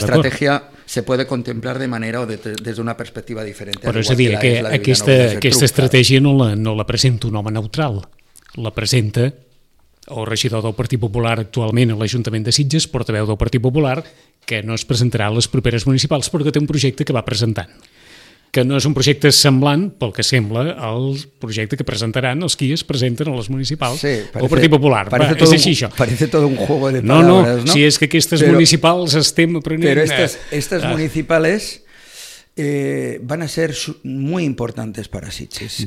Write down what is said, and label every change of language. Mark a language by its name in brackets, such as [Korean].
[Spanish] la estrategia se puede contemplar de manera o desde una perspectiva diferente. [Catalan] Però és a dir, que aquesta estratègia no la presenta un home neutral, la presenta el regidor del Partit Popular actualment a l'Ajuntament de Sitges, portaveu del Partit Popular, que no es presentarà a les properes municipals perquè té un projecte que va presentant, que no és un projecte semblant, pel que sembla, al projecte que presentaran els qui es presenten a les municipals o sí, Partit Popular. [Spanish] Parece, [Catalan] va, és així, això. [Spanish] Parece todo un juego de palabras, no? [Catalan] No, si és que aquestes municipals estem aprenent... [Spanish] Però estas municipales van a ser muy importantes para Sitges,